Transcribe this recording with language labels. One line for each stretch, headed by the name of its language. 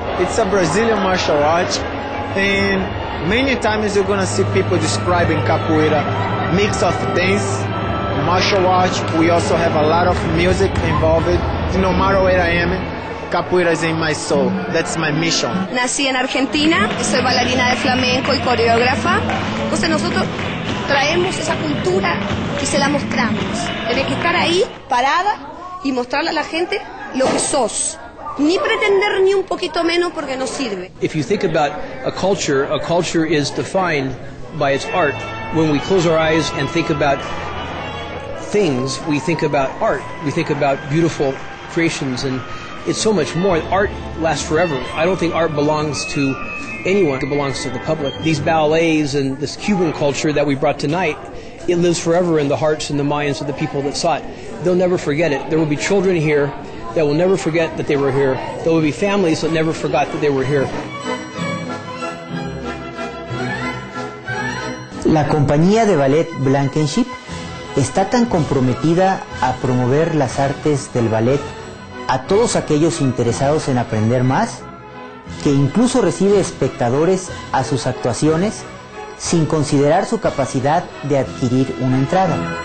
English: It's a Brazilian martial art, and many times you're gonna see people describing capoeira, mix of dance, martial art. We also have a lot of music involved. No matter where I am, capoeira is in my soul. That's my mission.
Spanish: Nací en Argentina, soy bailarina de flamenco y coreógrafa. Entonces nosotros traemos esa cultura y se la mostramos. Tienes que estar ahí, parada, y mostrarle a la gente lo que sos. Ni pretender ni un poquito menos porque no sirve.
English: If you think about a culture is defined by its art. When we close our eyes and think about things, we think about art. We think about beautiful creations, and it's so much more. Art lasts forever. I don't think art belongs to anyone. It belongs to the public. These ballets and this Cuban culture that we brought tonight, it lives forever in the hearts and the minds of the people that saw it. They'll never forget it. There will be children here that will never forget that they were here. There will be families that never forgot that they were here.
Spanish: La compañía de ballet Blankenship está tan comprometida a promover las artes del ballet a todos aquellos interesados en aprender más, que incluso recibe espectadores a sus actuaciones sin considerar su capacidad de adquirir una entrada.